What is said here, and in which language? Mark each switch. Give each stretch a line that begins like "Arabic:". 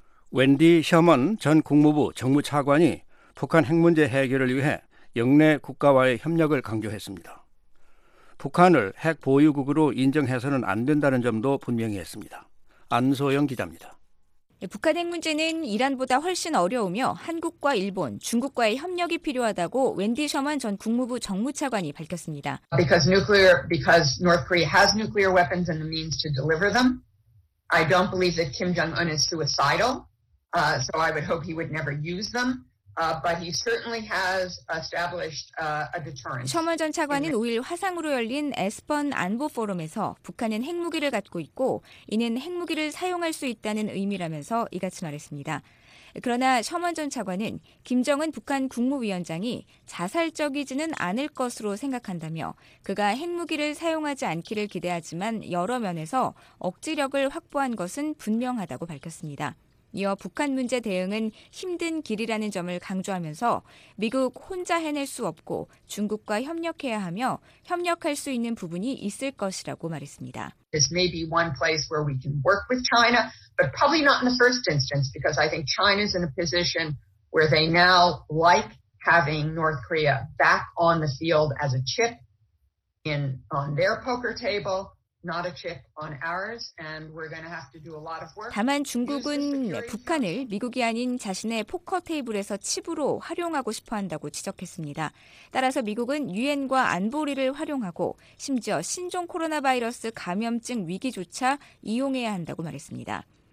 Korean: 웬디 셔먼 전 국무부 정무차관이 북한 핵 문제 해결을 위해 역내 국가와의 협력을 강조했습니다. 북한을 핵 보유국으로 인정해서는 안 된다는 점도 분명히 했습니다. 안소영 기자입니다. 북한 핵 문제는 이란보다 훨씬 어려우며 한국과 일본, 중국과의 협력이 필요하다고 웬디 셔먼 전 국무부 정무차관이 밝혔습니다.
English: Because North Korea has nuclear weapons and the means to deliver them. I don't believe that Kim Jong-un is suicidal, so I would hope he would never use them. But he certainly has established a deterrent.
Korean: 셔먼 전 차관은 5일 화상으로 열린 에스펀 안보 포럼에서 북한은 핵무기를 갖고 있고 이는 핵무기를 사용할 수 있다는 의미라면서 이같이 말했습니다. 그러나 셔먼 전 차관은 김정은 북한 국무위원장이 자살적이지는 않을 것으로 생각한다며 그가 핵무기를 사용하지 않기를 기대하지만 여러 면에서 억지력을 확보한 것은 분명하다고 밝혔습니다. 이어 북한 문제 대응은 힘든 길이라는 점을 강조하면서 미국 혼자 해낼 수 없고 중국과 협력해야 하며 협력할 수 있는 부분이 있을 것이라고 말했습니다.
English: This may be one place where we can work with China, but probably not in the first instance because I think China's in a position where they now like having North Korea back on the field as a chip in on their poker table. Not a chip on ours, and we're going to have to do a lot of work.
Korean: 다만 중국은 북한을 미국이 아닌 자신의 포커 테이블에서 칩으로 활용하고 싶어한다고 지적했습니다. 따라서 미국은 유엔과 안보리를 활용하고 심지어 신종 코로나 바이러스 감염증 위기조차 이용해야 한다고 말했습니다.